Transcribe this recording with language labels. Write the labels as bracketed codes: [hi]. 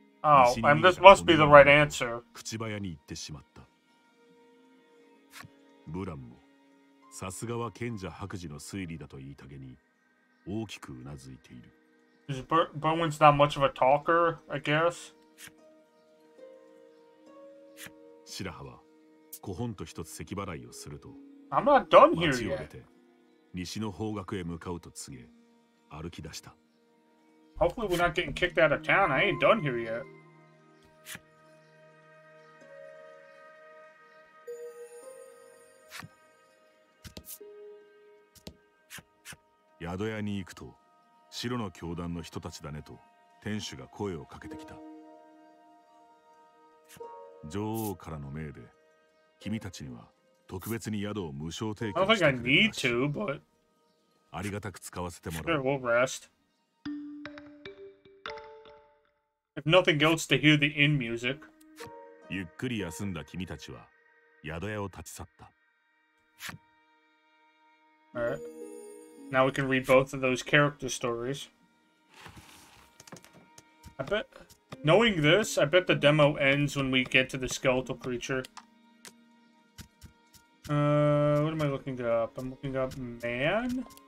[en] Oh, and this must be the right answer. [ja] 口早に言ってしまった。ブランも、さすがは賢者白磁の推理だと言いたげに、大きくうなずいている。 [en] Berwin's not much of a talker, I guess. [ja] 白羽は、古本と一つ咳払いをすると、 [en] I'm not done here yet. [ja] 街を出て、西の方角へ向かうと告げ、歩き出した。 [en] Hopefully we're not getting kicked out of town. I ain't done here yet. [ja] Yadoya に行くと、白の教団の人たちだねと、店主が声をかけてきた。女王からの命で、君たちには特別に宿を無償提供してくれるらしい。 [en] I don't think I need to, but... [ja] ありがたく使わせてもらう。 [en] Sure, we'll rest. If nothing else, to hear the inn music. [ja] ゆっくり休んだ君たちは宿屋を立ち去った。 [en] Alright. Now we can read both of those character stories. I bet... Knowing this, I bet the demo ends when we get to the skeletal creature. What am I looking up? I'm looking up man?